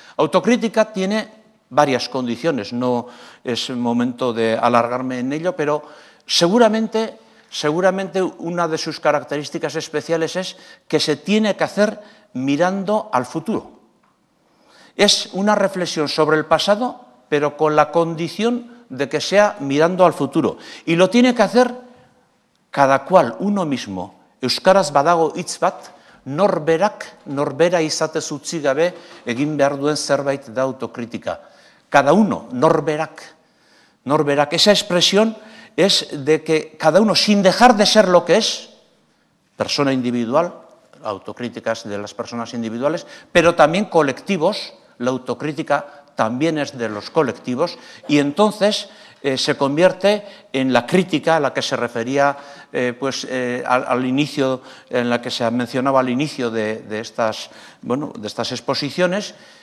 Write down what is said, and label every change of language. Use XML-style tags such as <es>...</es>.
<es>Autocrítica tiene varias condiciones, no es momento de alargarme en ello, pero seguramente una de sus características especiales es que se tiene que hacer mirando al futuro. Es una reflexión sobre el pasado, pero con la condición de que sea mirando al futuro. Y lo tiene que hacer cada cual, uno mismo.</es> <eu>Euskaraz badago hitz bat, norberak, norbera izatez utzi gabe, egin behar duen zerbait da autocrítica.</eu> <es>Cada uno, norberak, norberak. Esa expresión es de que cada uno, sin dejar de ser lo que es, persona individual, autocríticas de las personas individuales, pero también colectivos, la autocrítica también es de los colectivos, y entonces se convierte en la crítica a la que se refería al inicio, en la que se mencionaba al inicio de estas exposiciones.</es>